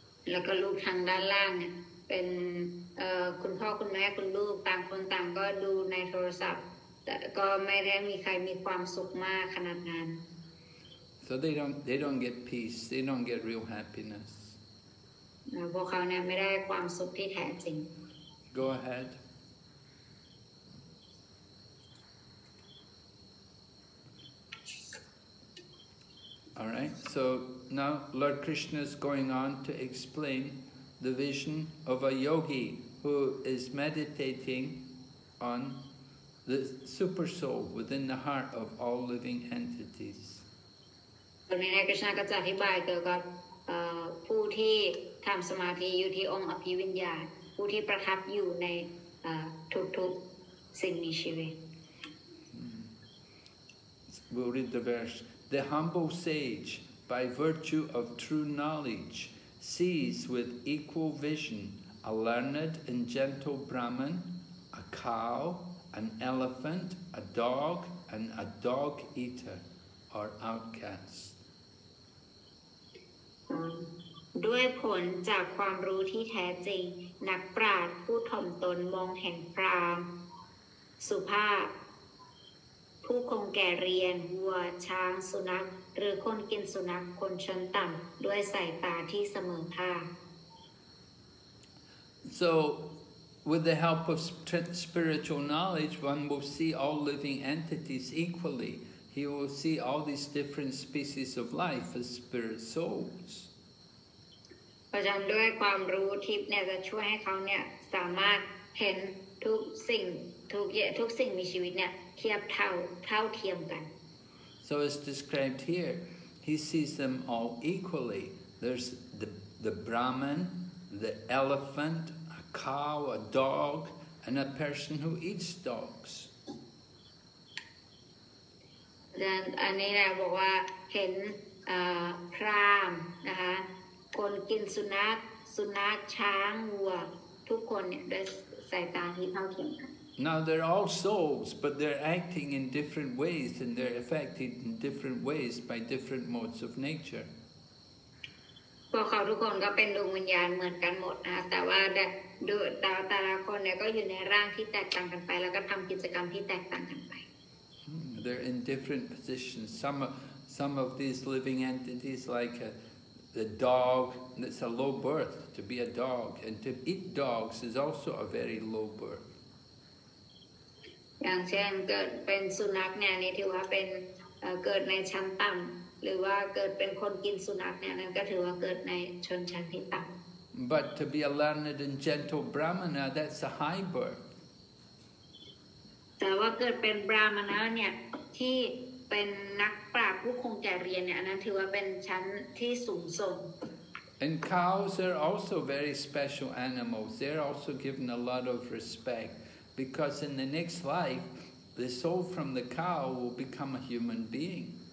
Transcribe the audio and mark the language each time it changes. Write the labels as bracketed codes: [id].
[th] แล้วก็รูปทางด้านล่างเป็นคุณพ่อคุณแม่คุณลูกต่างคนต่างก็ดูในโทรศัพท์แต่ก็ไม่ได้มีใครมีความสุขมากขนาดนั้น [en] so they don't get peace, they don't get real happiness. [th] แล้วพวกเขาเนี่ยไม่ได้ความสุขที่แท้จริง [en] go aheadAll right, so now Lord Krishna is going on to explain the vision of a yogi who is meditating on the super soul within the heart of all living entities. [th] ตอนนี้นายกฤษณะก็จะอธิบายเกี่ยวกับผู้ที่ทำสมาธิอยู่ที่องค์อภิวิญญาณผู้ที่ประทับอยู่ในทุกๆสิ่งมีชีวิต [en] We'll read the verse. The humble sage, by virtue of true knowledge, sees with equal vision a learned and gentle Brahman, a cow, an elephant, a dog, and a dog eater, or outcast. [th] ด้วยผลจากความรู้ที่แท้จริงนักปราชญ์ผู้ถ่อมตนมองเห็นพราหมณ์สุภาพผู้คงแก่เรียนวัวช้างสุนัขหรือคนกินสุนัขคนชั้นต่ำด้วยสายตาที่เสมอภาค [en] So with the help of spiritual knowledge one will see all living entities equally he will see all these different species of life as spirit souls [th] ประจำด้วยความรู้ทิพย์เนี่ยจะช่วยให้เขาเนี่ยสามารถเห็นทุกสิ่งทุกสิ่งมีชีวิตเนี่ยเทียบเท่ากัน [en] So it's described here he sees them all equally there's the Brahman the elephant a cow a dog and a person who eats dogs [th] then อันนี้นะบอกว่าเห็นพราหมณ์นะคะคนกินสุนัขช้างวัวทุกคนเนี่ยด้วยสายตาที่เท่าเทียมกัน [en] Now they're all souls, but they're acting in different ways and they're affected in different ways by different modes of nature. [th] พวกเขาทุกคนก็เป็นดวงวิญญาณเหมือนกันหมดนะแต่ว่าดูตาแต่ละคนเนี่ยก็อยู่ในร่างที่แตกต่างกันไปแล้วก็ทำกิจกรรมที่แตกต่างกันไป [en] They're in different positions. Some of these living entities like the dog, it's a low birth to be a dog. And to eat dogs is also a very low birth. [th] อย่างเช่นเกิดเป็นสุนัขเนี่ยนี่ถือว่าเป็นเกิดในชั้นต่ำหรือว่าเกิดเป็นคนกินสุนัขเนี่ยนั่นก็ถือว่าเกิดในชนชั้นที่ต่ำ [en] But to be a learned and gentle Brahmana that's a high birth [th] แต่ว่าเกิดเป็นบราหมณะเนี่ยที่เป็นนักปราชญ์ผู้คงแก่เรียนเนี่ยนั้นถือว่าเป็นชั้นที่สูงส่ง [en] And cows are also very special animals they're also given a lot of respectBecause in the next life, the soul from the cow will become a human being.